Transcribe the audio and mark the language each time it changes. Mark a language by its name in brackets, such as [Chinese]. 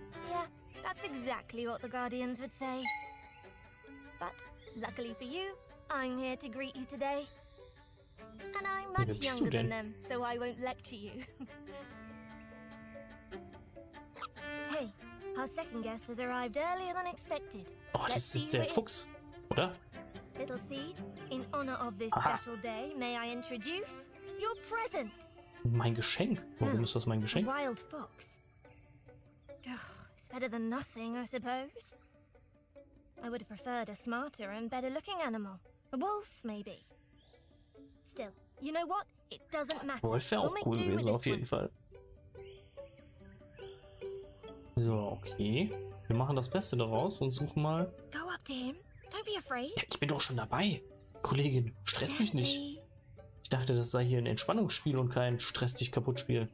[English] Yeah, that's exactly what the guardians would say. But luckily for you, I'm here to greet you today. And I'm much younger than them, so I won't lecture you. Hey. Our second guest has arrived earlier than expected. [German] Oh, das ist der Fuchs, oder? [English] Little Seed, in honor of this special day, may I introduce your present. [German] Mein Geschenk? Warum ist das mein Geschenk? [English] Wild Fox. Ugh, it's better than nothing, I suppose. I would have preferred a smarter and better looking animal. A wolf, maybe. Still, you know what? It doesn't matter. [German] Wolf wäre auch cool gewesen, auf jeden Fall. So, okay. Wir machen das Beste daraus und suchen mal. [English] Go up to him. Don't be afraid. [German] Ich bin doch schon dabei. Kollegin, stress mich nicht. Ich dachte, das sei hier ein Entspannungsspiel und kein Stress dich kaputt Spiel.